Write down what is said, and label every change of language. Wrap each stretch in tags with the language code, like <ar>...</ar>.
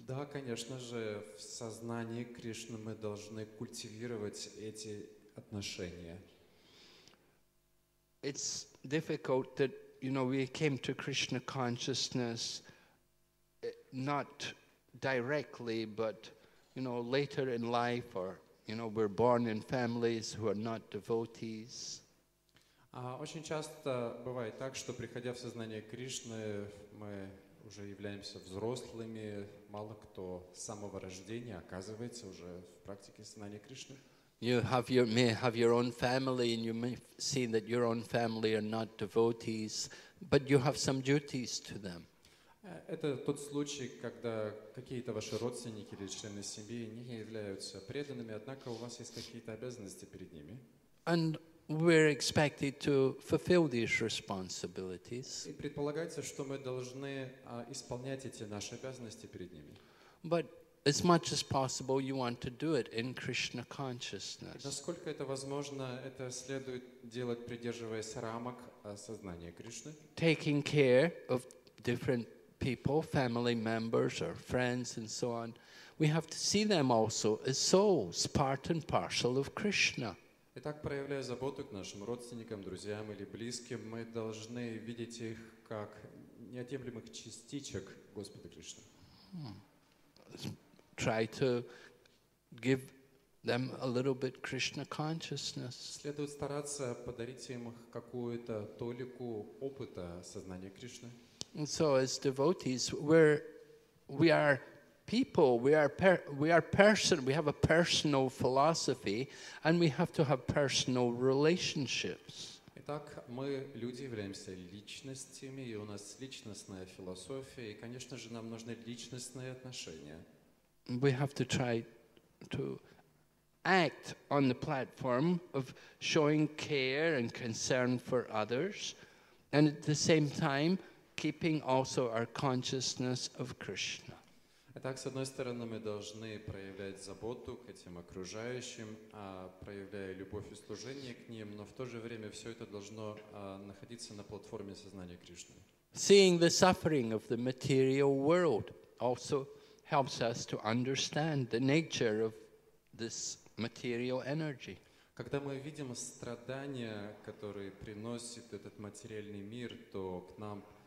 <ru>Да, конечно же, в сознании Кришны мы должны культивировать эти отношения.</ru> <en>It's difficult that you know, we came to Krishna consciousness not directly, but, you know, later in life, or, you know, we're born in families who are not devotees.</en> <ru>Очень часто бывает так, что, приходя в сознание Кришны, мы уже являемся взрослыми, мало кто с самого рождения оказывается уже в практике сознания Кришны.</ru> <en>You may have your own family, and you may see that your own family are not devotees, but you have some duties to them.</en> <ru>Это тот случай, когда какие-то ваши родственники или члены семьи не являются преданными, однако у вас есть какие-то обязанности перед ними.</ru> <en>And we're expected to fulfill these responsibilities.</en> <ru>И предполагается, что мы должны исполнять эти наши обязанности перед ними.</ru> <en>But as much as possible, you want to do it in Krishna consciousness.</en> <ru>Насколько это возможно, это следует делать, придерживаясь рамок сознания Кришны.</ru> <en>Taking care of different people, family members or friends and so on, we have to see them also as souls, part and parcel of Krishna.</en> <ru>Итак, проявляя заботу к нашим родственникам, друзьям или близким, мы должны видеть их как неотъемлемых частичек Господа Кришны.</ru> <en>Try to give them a little bit Krishna consciousness.</en> <ru>Следует стараться подарить им какую-то толику опыта сознания Кришны.</ru> <en>And so as devotees, we are people, we are person, we have a personal philosophy, and we have to have personal relationships.</en> <ru>Итак, мы люди, являемся личностями, и у нас личностная философия, и, конечно же, нам нужны личностные отношения.</ru> <en>We have to try to act on the platform of showing care and concern for others, and at the same time, keeping also our consciousness of Krishna.</en> <ru>Итак, с одной стороны, мы должны проявлять заботу к этим окружающим, проявляя любовь и служение к ним, но в то же время все это должно находиться на платформе сознания Кришны.</ru> <en>Seeing the suffering of the material world also helps us to understand the nature of this material energy.</en> <ru>Когда мы видим страдания, которые приносит этот материальный мир, то к нам</ru>